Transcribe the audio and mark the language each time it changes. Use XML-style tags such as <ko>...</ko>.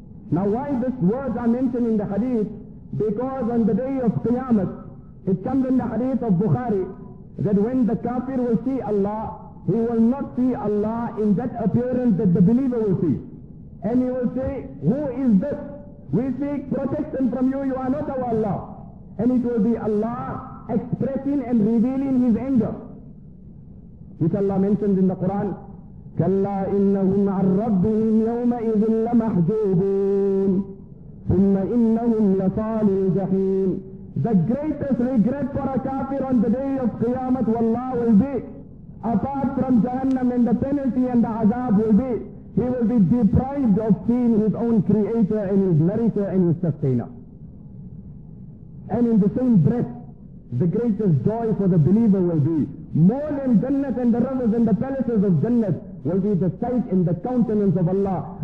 <en>Now why these words are mentioned in the hadith? Because on the day of Qiyamah, it comes in the hadith of Bukhari, that when the kafir will see Allah, he will not see Allah in that appearance that the believer will see. And he will say, who is this We seek protection from you, you are not our Allah. And it will be Allah expressing and revealing His anger. Which Allah mentions in the Quran,</en> <ar>كَلَّا إِنَّهُمْ عَنْ رَبِّهِمْ يَوْمَئِذٍ لَمَحْجُوبُونَ ثُمَّ إِنَّهُمْ لَصَالُو الْجَحِيمِ.</ar> <en>The greatest regret for a kafir on the day of Qiyamah, wallah, will be, apart from Jahannam and the penalty and the azab will be, he will be deprived of seeing his own creator and his nourisher and his sustainer. And in the same breath, the greatest joy for the believer will be, more than Jannat and the rivers and the palaces of Jannat, will be the sight and the countenance of Allah.</en>